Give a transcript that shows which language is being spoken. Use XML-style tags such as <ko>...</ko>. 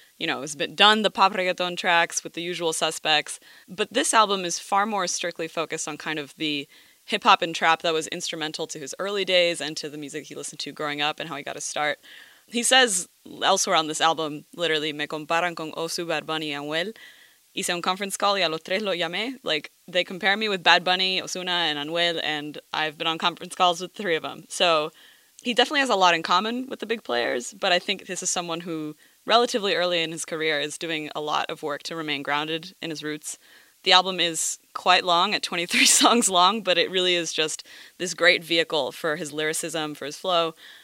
<en>You know, he's been done the pop reggaeton tracks with the usual suspects, but this album is far more strictly focused on kind of the hip-hop and trap that was instrumental to his early days and to the music he listened to growing up and how he got his start. He says elsewhere on this album, literally,</en> <es>me comparan con Osu, Bad Bunny, y Anuel. Hice un conference call y a los tres lo llamé.</es> <en>Like, they compare me with Bad Bunny, Osuna, and Anuel, and I've been on conference calls with the three of them. So he definitely has a lot in common with the big players, but I think this is someone who, relatively early in his career, is doing a lot of work to remain grounded in his roots. The album is quite long, at 23 songs long, but it really is just this great vehicle for his lyricism, for his flow.</en>